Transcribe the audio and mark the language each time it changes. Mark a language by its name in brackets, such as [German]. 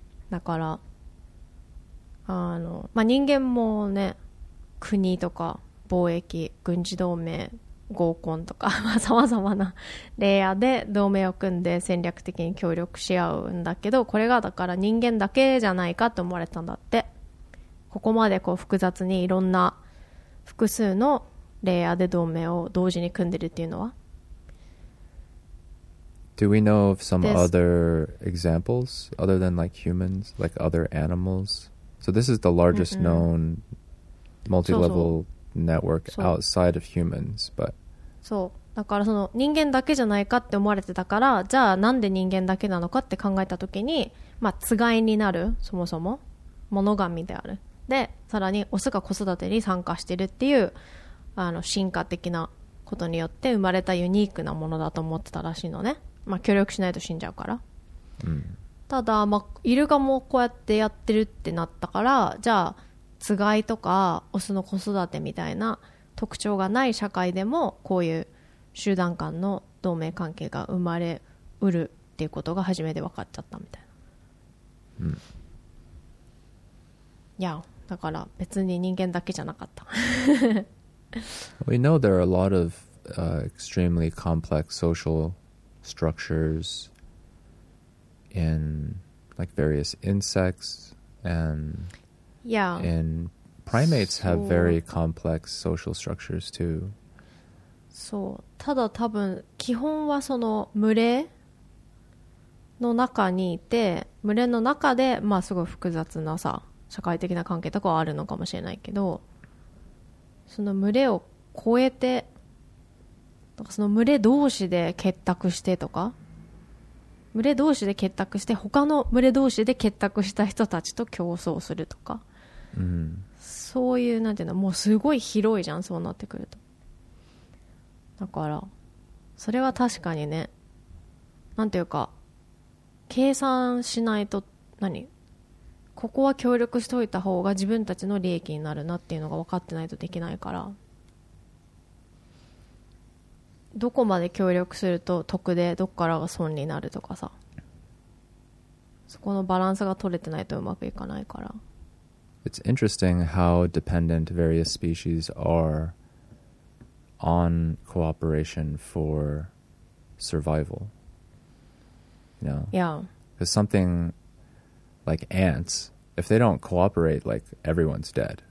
[Japanese] だからまあ、人間もね国とか貿易軍事同盟合コンとかさまざまなレイヤーで同盟を組んで戦略的に協力し合うんだけど、これがだから人間だけじゃないかと思われたんだって。ここまでこう複雑にいろんな複数のレイヤーで同盟を同時に組んでるっていうのは。 [English] Do we know of some other examples other than like humans, like other animals? So this is the largest known multi-level network outside of humans, but [Japanese] そう、だからその人間だけじゃないかって思われてたから、じゃあなんで人間だけなのかって考えた時に、まあつがいになる、そもそもモノガミである。でさらにオスが子育てに参加してるっていう進化的なことによって生まれたユニークなものだと思ってたらしいのね。まあ協力しないと死んじゃうから、うん、ただまあイルガもこうやってやってるってなったから、じゃあつがいとかオスの子育てみたいな特徴がない社会でもこういう集団間の同盟関係が生まれうるっていうことが初めて分かっちゃったみたいな、うん、いやだから別に人間だけじゃなかった [English] We know there are a lot of extremely complex social structures in like various insects and yeah. And primates so, have very complex social structures too. [Japanese] そう、ただ多分基本はその群れの中にいて、群れの中でまあすごい複雑なさ社会的な関係とかはあるのかもしれないけど、その群れを超えてなんかその群れ同士で結託してとか、群れ同士で結託して他の群れ同士で結託した人たちと競争するとか、うん、そういうなんていうの、もうすごい広いじゃん、そうなってくると。だからそれは確かにね、なんていうか計算しないと、何ここは協力しておいた方が自分たちの利益になるなっていうのが分かってないとできないから、どこまで協力すると得で、どこからが損になるとかさ、そこのバランスが取れてないとうまくいかないから。 [English] It's interesting how dependent various species are on cooperation for survival. You know? Yeah. There's something like ants. If they don't cooperate, like, everyone's dead.